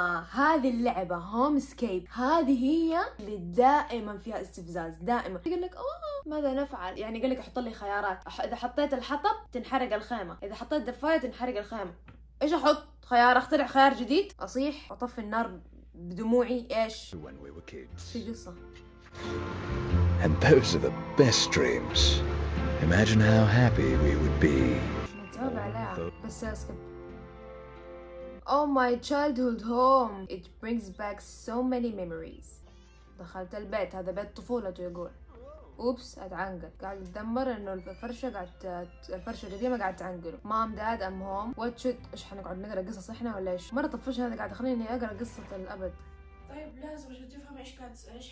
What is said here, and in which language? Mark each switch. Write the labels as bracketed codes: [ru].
[ar] هذه اللعبه هوم سكيب، هذه هي اللي دائما فيها استفزاز دائما. يقول لك ماذا نفعل؟ يعني قال لك احط لي خيارات، اذا حطيت الحطب تنحرق الخيمه، اذا حطيت دفايه تنحرق الخيمه. ايش احط؟ خيار، اخترع خيار جديد، اصيح اطفي النار بدموعي، ايش؟ في قصه. [en] And those are the best dreams. Imagine how happy we would be. [ar] متعب عليها، بس اسكب. [en] Oh my childhood home, it brings back so many memories. [ar] دخلت البيت، هذا بيت طفولته يقول. اوبس اتعنقل، قاعد اتدمر انه الفرشه الفرشه القديمه قاعد تعنقله. [en] mom dad I'm home what should, [ar] ايش حنقعد نقرا قصص احنا ولا ايش؟ مره طفش هذا قاعد يخليني اقرا قصه الابد. طيب لازم عشان تفهم ايش قاعد ايش